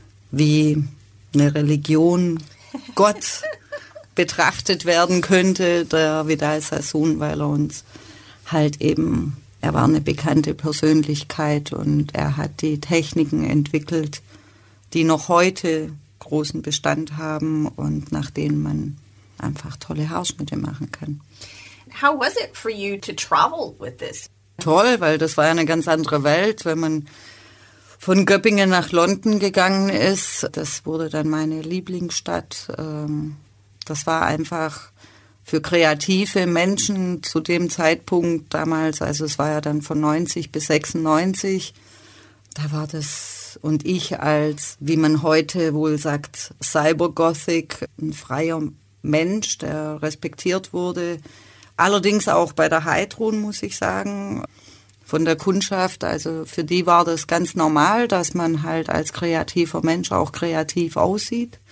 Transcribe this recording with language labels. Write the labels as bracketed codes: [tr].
[de] wie eine Religion Gott betrachtet werden könnte, der Vidal Sassoon, weil er uns halt eben, er war eine bekannte Persönlichkeit und er hat die Techniken entwickelt, die noch heute großen Bestand haben und nach denen man einfach tolle Haarschnitte machen kann. [en] How was it for you to travel with this? [de] Toll, weil das war eine ganz andere Welt, wenn man von Göppingen nach London gegangen ist. Das wurde dann meine Lieblingsstadt. Das war einfach für kreative Menschen zu dem Zeitpunkt damals, also es war ja dann von 90 bis 96, da war das, und ich als, wie man heute wohl sagt, Cyber-Gothic, ein freier Mensch, der respektiert wurde, allerdings auch bei der Heidrun, muss ich sagen, von der Kundschaft, also für die war das ganz normal, dass man halt als kreativer Mensch auch kreativ aussieht.